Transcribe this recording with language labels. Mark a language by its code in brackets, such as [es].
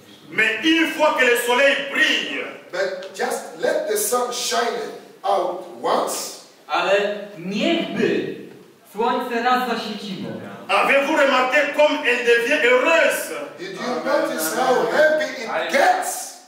[fr] Mais une fois que le soleil brille. [en] But just let the sun shine out once. [pl] Ale niechby słońce raz zaświeciło. [fr] Avez-vous remarqué comme elle devient heureuse? [en] Did you notice how happy it gets?